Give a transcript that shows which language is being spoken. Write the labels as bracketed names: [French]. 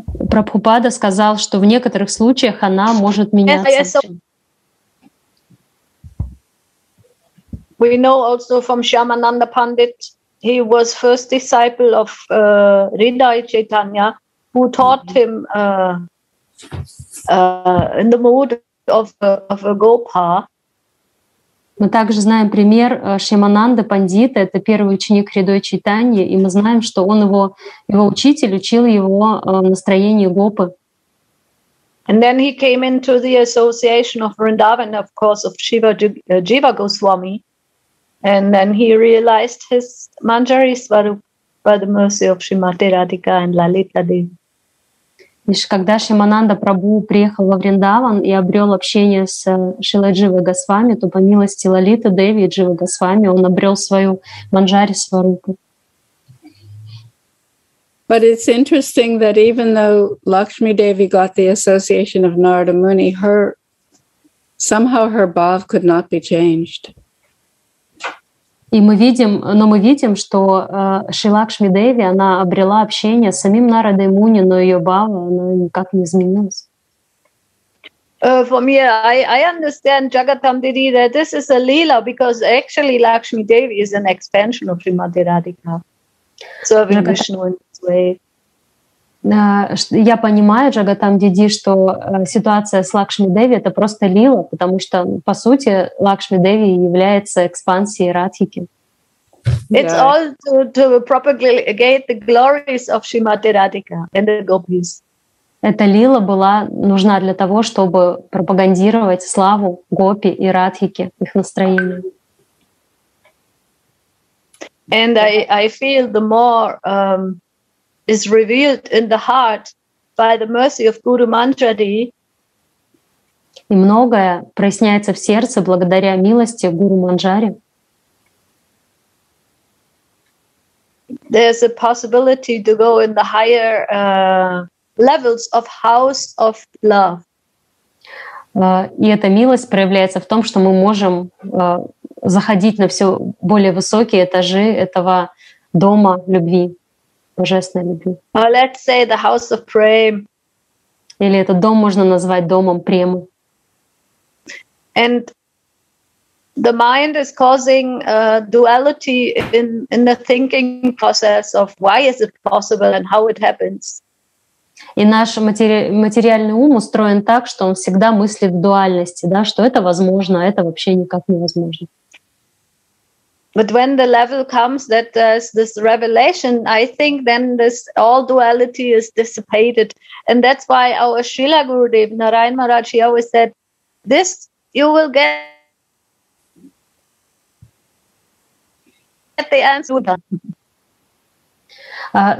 [Russian] Прабхупада сказал, что в некоторых случаях она может меняться. [English] Yes, yes, so we know also from Shyamananda Pandit, he was first disciple of Hridaya Chaitanya, who taught him in the mood of a gopa. [Russian] Мы также знаем пример Шьямананды Пандита, это первый ученик Хридой Чайтаньи, и мы знаем, что он его учитель учил его в настроении гопы. [English] And then he came into the association of Vrindavan, of course, of Shiva Jiva Goswami. And then he realized his manjari swarup by the mercy of Shrimati Radhika and Lalita Devi. [Russian] когда Шримананда Прабху приехал во Вриндаван и обрел общение с Шрилой Дживой Госвами, то по милости Лалиты Деви и Дживы Госвами он обрел свою Ванджари Сварупу. [English] But it's interesting that even though Lakshmi Devi got the association of Narada Muni, her somehow her bhav could not be changed. [Russian] И мы видим, но мы видим, что Шри Лакшми Деви, она обрела общение с самим Нарадой Муни, но ее бхава никак не изменилась. [English] For me, I understand Jagatam Didi that this is a lila because actually Lakshmi Devi is an expansion of Srimati Radhika, serving Vishnu in this way. [Russian] Я понимаю, Джагатам Диди, что ситуация с Лакшми Деви — это просто лила, потому что, по сути, Лакшми Деви является экспансией Радхики. [English] It's all to propagate the glories of Shrimati Radhika and the gopis. [Russian] Эта лила была нужна для того, чтобы пропагандировать славу гопи и Радхики, их настроение. [English] And I feel the more... is revealed in the heart by the mercy of Guru Manjari. [Russian] И многое проясняется в сердце благодаря милости Гуру Манджари. [English] There's a possibility to go in the higher levels of house of love. [Russian] И эта милость проявляется в том, что мы можем заходить на все более высокие этажи этого дома любви. Божественной любви. [English] Or let's say the house of Prem. [Russian] Или этот дом можно назвать домом Премы. [English] And the mind is causing duality in the thinking process of why is it possible and how it happens. [Russian] И наш материальный ум устроен так, что он всегда мыслит в дуальности, да, что это возможно, а это вообще никак невозможно. [English] But when the level comes that there's this revelation, I think then this all duality is dissipated. And that's why our Srila Gurudev, Narayan Maharaj, he always said, this you will get at the answer.